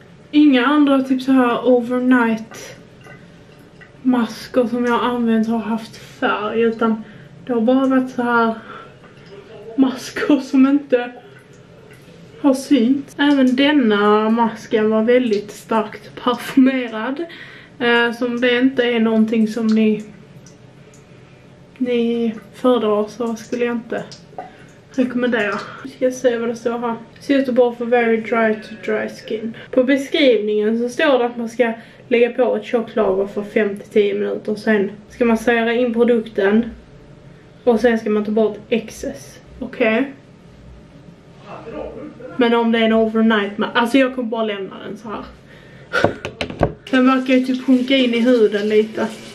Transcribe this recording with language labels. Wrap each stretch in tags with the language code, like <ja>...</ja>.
<sv>Inga andra typ så här overnight masker som jag använt har haft färg, utan det har bara varit så här masker som inte har synts. Även denna masken var väldigt starkt parfymerad. Som det inte är någonting som ni föredrar, så skulle jag inte rekommendera. Nu ska jag se vad det står här.</sv> <en>Suitable for very dry to dry skin.</en> <sv>På beskrivningen så står det att man ska lägga på ett tjockt lager för 5-10 minuter. Och sen ska man sära in produkten. Och sen ska man ta bort excess. Okej. Men om det är en overnight, alltså jag kommer bara lämna den så här. Den verkar ju typ funka in i huden lite.</sv>